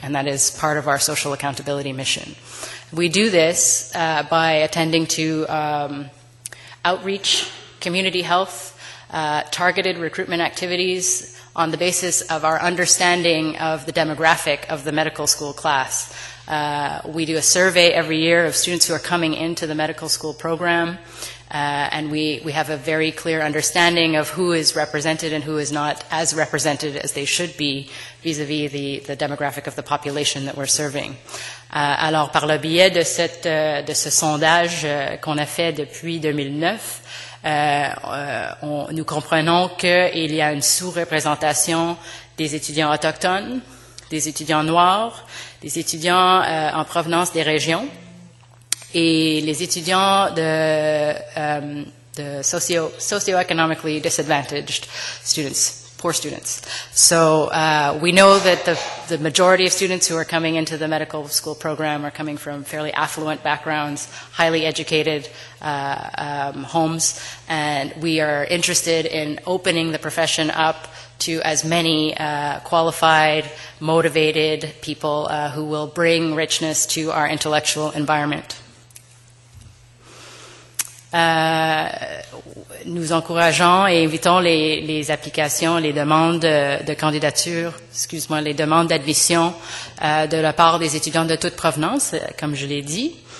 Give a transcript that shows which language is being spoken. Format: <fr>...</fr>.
<en>And that is part of our social accountability mission. We do this by attending to outreach, community health, targeted recruitment activities, on the basis of our understanding of the demographic of the medical school class. We do a survey every year of students who are coming into the medical school program, and we have a very clear understanding of who is represented and who is not as represented as they should be vis-à-vis the demographic of the population that we're serving.</en> <fr>Alors, par le biais de ce sondage qu'on a fait depuis 2009, nous comprenons qu'il y a une sous-représentation des étudiants autochtones, des étudiants noirs, des étudiants en provenance des régions, et les étudiants de</fr> <en>socio-economically disadvantaged students, poor students. So we know that the majority of students who are coming into the medical school program are coming from fairly affluent backgrounds, highly educated homes, and we are interested in opening the profession up to as many qualified, motivated people who will bring richness to our intellectual environment.</en> <fr>Nous encourageons et invitons les applications, les demandes de candidature, les demandes d'admission de la part des étudiants de toute provenance, comme je l'ai dit.</fr>